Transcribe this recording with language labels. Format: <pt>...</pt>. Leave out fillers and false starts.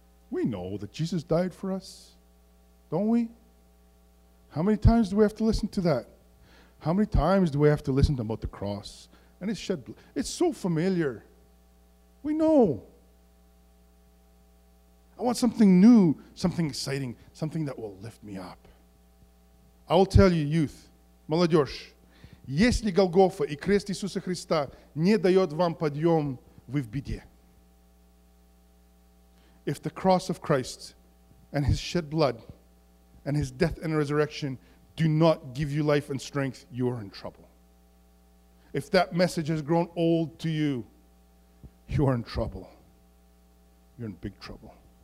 <en>We know that Jesus died for us. don't we? How many times do we have to listen to that? How many times do we have to listen to about the cross? And it's shed blood. It's so familiar. We know. I want something new, something exciting, something that will lift me up. I will tell you, youth,</en> <ru>молодежь, если Голгофа и крест Иисуса Христа не дает вам подъем, вы в беде.</ru> <en>If the cross of Christ and his shed blood and his death and resurrection do not give you life and strength, you are in trouble. If that message has grown old to you, you are in trouble. You're in big trouble.</en>